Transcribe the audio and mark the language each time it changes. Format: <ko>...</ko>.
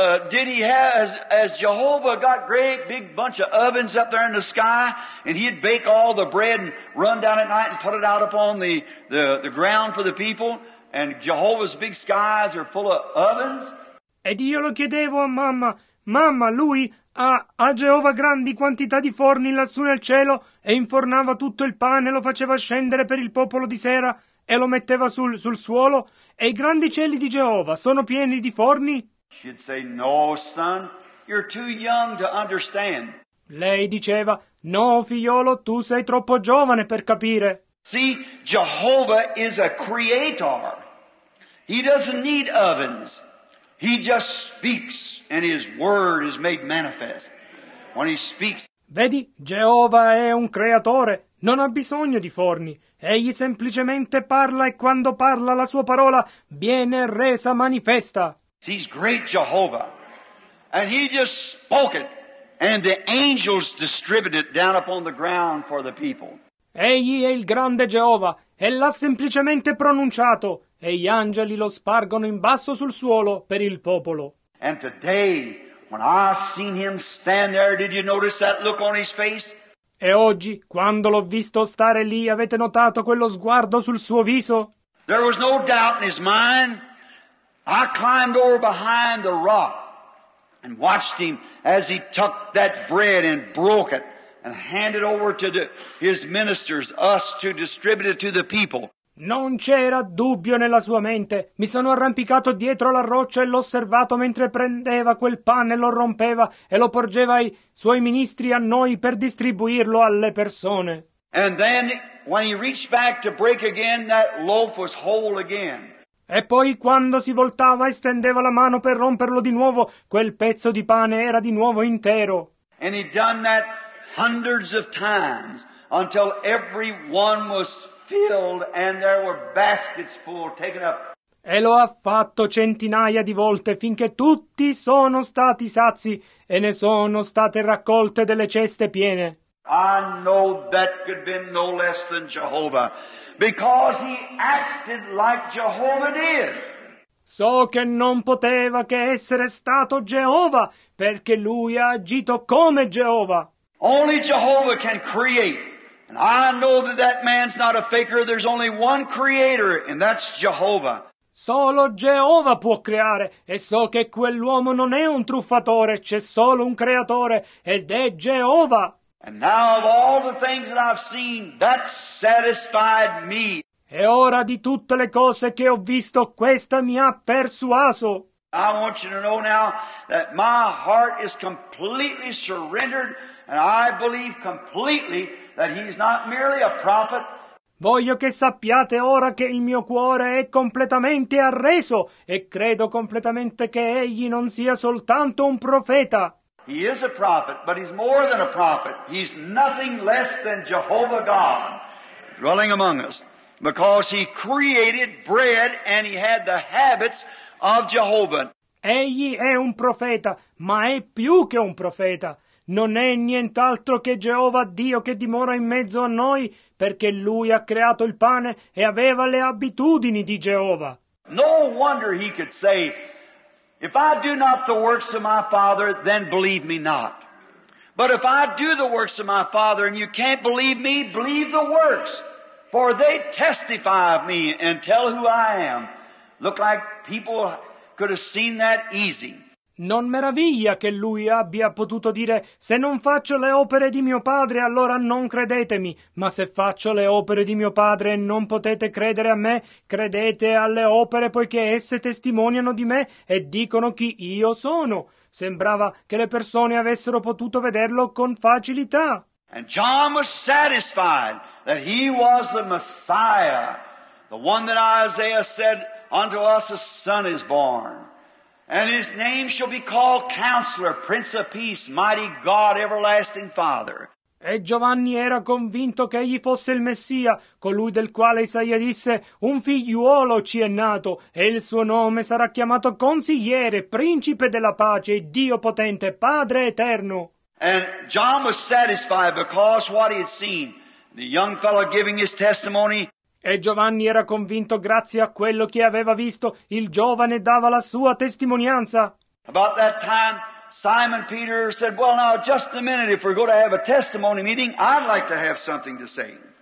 <en>did he have, as Jehovah got great big bunch of ovens up there in the sky, and he'd bake all the bread and run down at night and put it out upon the ground for the people, and Jehovah's big skies are full of ovens?</en> <it>Ed io lo chiedevo a mamma, mamma, lui ha Geova grandi quantità di forni lassù nel cielo e infornava tutto il pane, lo faceva scendere per il popolo di sera e lo metteva sul suolo. E i grandi cieli di Geova sono pieni di forni?</it> <en>She'd say, no, son, you're too young to understand.</en> <it>Lei diceva, no, figliolo, tu sei troppo giovane per capire.</it> <en>See, Jehovah is a creator. He doesn't need ovens. He just speaks, and his word is made manifest when he speaks.</en> <it>Vedi, Geova è un creatore, non ha bisogno di forni. Egli semplicemente parla, e quando parla la sua parola viene resa manifesta.</it> <en>He's great Jehovah, and he just spoke it, and the angels distributed it down upon the ground for the people.</en> <it>Egli è il grande Geova, e l'ha semplicemente pronunciato, e gli angeli lo spargono in basso sul suolo per il popolo.</it> <en>And today, when I seen him stand there, did you notice that look on his face?</en> <it>E oggi, quando l'ho visto stare lì, avete notato quello sguardo sul suo viso?</it> <en>There was no doubt in his mind. I climbed over behind the rock and watched him as he took that bread and broke it and handed over to his ministers, us, to distribute it to the people.</en> <it>Non c'era dubbio nella sua mente. Mi sono arrampicato dietro la roccia e l'ho osservato mentre prendeva quel pane, lo rompeva e lo porgeva ai suoi ministri, a noi, per distribuirlo alle persone.</it> <en>And then, when he reached back to break again, that loaf was whole again.</en> <it>E poi, quando si voltava e stendeva la mano per romperlo di nuovo, quel pezzo di pane era di nuovo intero.</it> <en>And he'd done that hundreds of times until everyone was filled and there were baskets full taken up.</en> <it>E lo ha fatto centinaia di volte finché tutti sono stati sazi e ne sono state raccolte delle ceste piene.</it> <en>I know that could be no less than Jehovah, because he acted like Jehovah did.</en> <it>So che non poteva che essere stato Geova, perché lui ha agito come Geova.</it> <en>Only Jehovah can create. And I know that that man's not a faker. There's only one creator, and that's Jehovah.</en> <it>Solo Geova può creare. E so che quell'uomo non è un truffatore. C'è solo un creatore, ed è Geova.</it> <en>And now of all the things that I've seen, that satisfied me.</en> <it>E ora di tutte le cose che ho visto, questa mi ha persuaso.</it> <en>I want you to know now that my heart is completely surrendered, and I believe completely that he's not merely a prophet.</en> <it>Voglio che sappiate ora che il mio cuore è completamente arreso, e credo completamente che egli non sia soltanto un profeta.</it> <en>He is a prophet, but he's more than a prophet. He's nothing less than Jehovah God dwelling among us, because he created bread and he had the habits of Jehovah.</en> <it>Egli è un profeta, ma è più che un profeta. Non è nient'altro che Geova Dio che dimora in mezzo a noi, perché lui ha creato il pane e aveva le abitudini di Geova.</it> <en>No wonder he could say, if I do not the works of my Father, then believe me not. But if I do the works of my Father and you can't believe me, believe the works, for they testify of me and tell who I am. Look like people could have seen that easy.</en> <it>Non meraviglia che lui abbia potuto dire, se non faccio le opere di mio Padre, allora non credetemi, ma se faccio le opere di mio Padre e non potete credere a me, credete alle opere, poiché esse testimoniano di me e dicono chi io sono. Sembrava che le persone avessero potuto vederlo con facilità.</it> <en>And John was satisfied that he was the Messiah, the one that Isaiah said, unto us a son is born. And his name shall be called Counselor, Prince of Peace, Mighty God, Everlasting Father.</en> <it>E Giovanni era convinto che egli fosse il Messia, colui del quale Isaia disse, un figliuolo ci è nato, e il suo nome sarà chiamato Consigliere, Principe della Pace, Dio Potente, Padre Eterno.</it> <en>And John was satisfied because what he had seen, the young fellow giving his testimony.</en> <it>E Giovanni era convinto grazie a quello che aveva visto, il giovane dava la sua testimonianza.</it> <en>About that time, Simon Peter said, "Well, now, just a minute, if we're going to have a testimony meeting, I'd like to have something to say."</en>